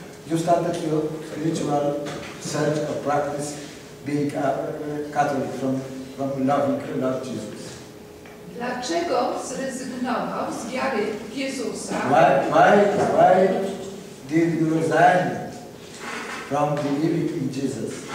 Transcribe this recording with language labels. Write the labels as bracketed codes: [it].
[en] You started your spiritual search or practice being a Catholic from loving the Lord Jesus. [pl] Dlaczego zrezygnował z wiary w Jezusa? [en] Why did you resign from believing in Jesus?